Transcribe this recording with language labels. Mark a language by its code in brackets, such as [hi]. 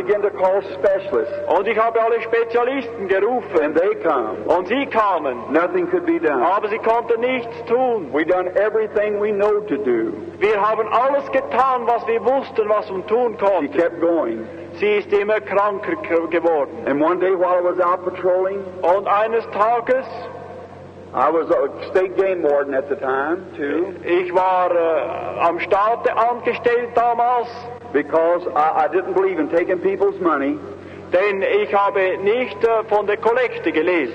[en] I began to call specialists. [de] Und ich habe alle Spezialisten gerufen. [en] And they come. [de] Und sie kamen. [en] Nothing could be done. [de] Aber sie konnten nichts tun. [en] We've done everything we know to do. [de] Wir haben alles getan, was wir wussten, was man tun konnte. [en] She kept going. [de] Sie ist immer kranker geworden. [en] And one day while I was out patrolling, [de] und eines Tages, [en] I was a state game warden at the time, too. [de] Ich war am Staat angestellt damals. [en] Because I didn't believe in taking people's money. [de] Denn ich habe nicht von der Kollekte gelesen.